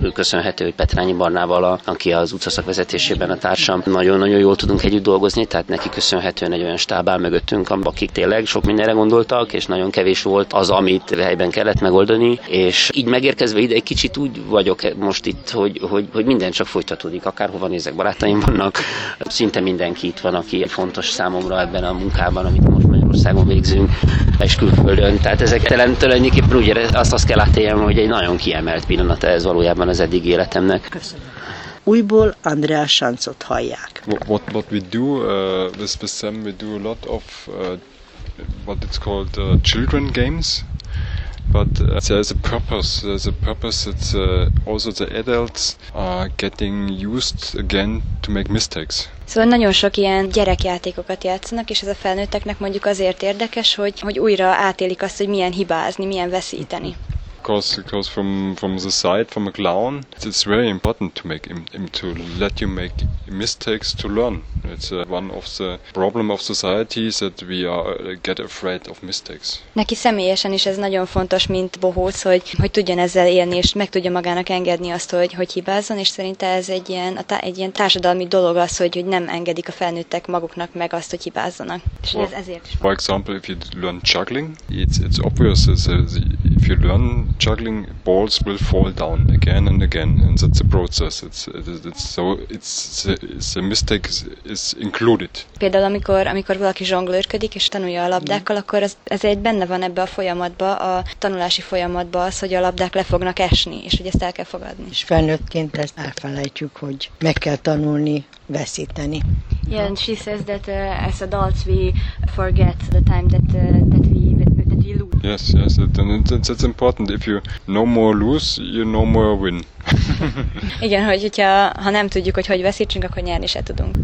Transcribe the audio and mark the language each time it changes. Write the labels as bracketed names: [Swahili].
[Hungarian] köszönhető, hogy Petrányi Barnával, aki az utcaszak vezetésében a társam, nagyon-nagyon jól tudunk együtt dolgozni, tehát neki köszönhetően egy olyan stáb áll mögöttünk, akik tényleg sok mindenre gondoltak, és nagyon kevés volt az, amit helyben kellett megoldani, és így megérkezve ide egy kicsit úgy vagyok most itt, hogy minden csak folytatódik, akárhova nézek, barátaim vannak, szinte mindenki itt van, aki fontos számomra ebben a munkában, amit most Magyarországon végzünk, és külföldön. Tehát ezek tulajdonképpen úgy azt kell átéljem, hogy egy nagyon kiemelt pillanat ez valójában az eddig életemnek. Köszönöm. Újból Andrea Sanzot hallják. [English] What we do, with the same, we do a lot of what it's called children games, but there's a purpose, it's also the adults are getting used again to make mistakes. [Hungarian] Szóval nagyon sok ilyen gyerekjátékokat játszanak, és ez a felnőtteknek mondjuk azért érdekes, hogy újra átélik azt, hogy milyen hibázni, milyen veszíteni. [English] Because from the side, from a clown, it's very important to make him to let you make mistakes to learn. It's one of the problem of society is that we are get afraid of mistakes. [Hungarian] Neki személyesen is ez nagyon fontos, mint bohóc, hogy tudjon ezzel élni, és meg tudja magának engedni azt, hogy hibázzon, és szerinte ez egy ilyen társadalmi dolog az, hogy nem engedik a felnőttek maguknak meg azt, hogy hibázzanak. És well, ez ezért is. [English] For example, if you learn juggling, it's obvious that if you learn juggling, balls will fall down again and again, and that's a process. It's a mistake is included. [Hungarian] Például amikor valaki zsonglőrködik és tanulja a labdákkal, akkor ez egy benne van ebbe a folyamatba, a tanulási folyamatba az, hogy a labdák le fognak esni, és hogy ezt el kell fogadni. És felnőttként ezt elfelejtjük, hogy meg kell tanulni veszíteni. [English] Yeah, and she says that as adults we forget the time that we lose. Yes, that's important. If you no more lose, you no more win. [Hungarian] Igen, hogyha nem tudjuk, hogy veszítsünk, akkor nyerni se tudunk.